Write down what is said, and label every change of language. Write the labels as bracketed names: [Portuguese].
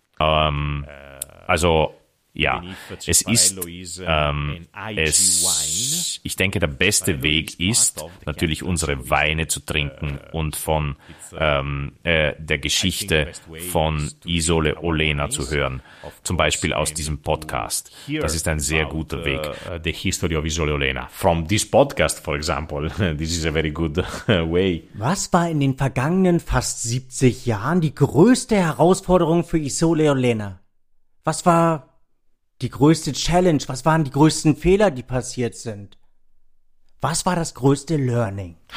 [German] Also ja, es ist, ich denke, der beste Weg ist natürlich unsere Weine zu trinken und von der Geschichte von Isole Olena zu hören, zum Beispiel aus diesem Podcast. Das ist ein sehr guter Weg. [English] The history of Isole Olena from this podcast, for example, this is a very good way. [German] Was war in den vergangenen fast 70 Jahren die größte Herausforderung für Isole Olena? Was war die größte Challenge? Was waren die größten Fehler, die passiert sind? Was war das größte Learning?